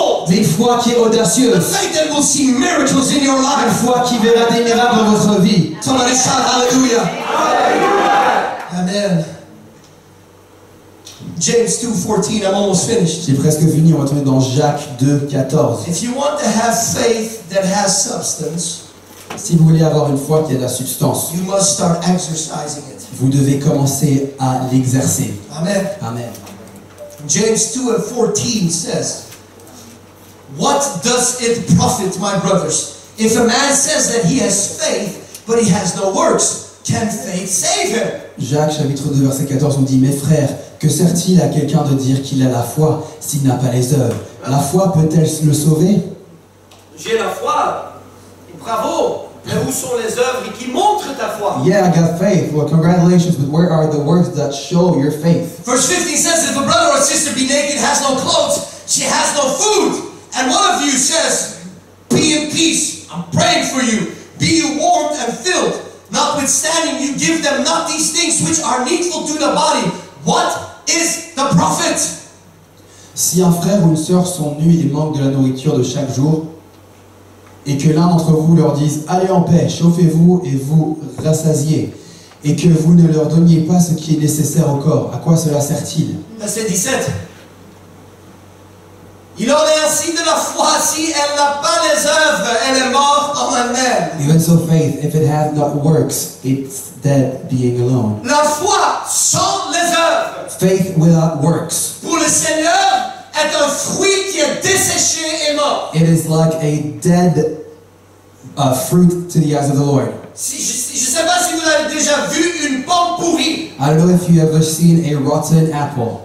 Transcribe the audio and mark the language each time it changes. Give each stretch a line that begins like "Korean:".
French: Une foi qui est audacieuse. Une foi qui verra des miracles dans votre vie. Alléluia.
English: Amen. James 2:14, I'm almost finished.
French: J'ai presque fini, on va tourner dans Jacques 2:14.
English: If you want to have faith that has substance,
French: si vous voulez avoir une foi qui a de la substance,
English: you must start exercising it.
French: Vous devez commencer à l'exercer.
English: Amen. Amen. James 2:14 says, what does it profit, my brothers, if a man says that he has faith, but he has no works? Can faith save him?
French: Jacques, chapitre 2, verset 14, on dit, mes frères, que sert-il à quelqu'un de dire qu'il a la foi s'il n'a pas les œuvres? La foi peut-elle le sauver? J'ai la foi. Bravo. Mais où sont les œuvres qui montrent ta foi?
English: Yeah, I got faith. Well, congratulations, but where are the works that show your faith? Verse 15 says, if a brother or sister be naked, has no clothes, she has no food, and one of you says, be in peace, I'm praying for you, be you warmed and filled, notwithstanding you give them not these things which are needful to the body, what is the profit?
French: Si un frère ou une sœur sont nus et manquent de la nourriture de chaque jour, et que l'un d'entre vous leur dise, allez en paix, chauffez-vous et vous rassasiez, et que vous ne leur donniez pas ce qui est nécessaire au corps, à quoi cela sert-il? Verset 17. Il en est ainsi de la foi, si elle n'a pas les œuvres, elle est morte en elle-même.
English: Even so, faith, if it hath not works, it's dead being alone.
French: La foi sans les œuvres.
English: Faith without works.
French: Pour le Seigneur est un fruit qui est desséché et mort.
English: It is like a dead fruit to the eyes of the Lord.
French: Je ne sais pas si vous avez déjà vu une pomme pourrie.
English: I don't know if you ever seen a rotten apple.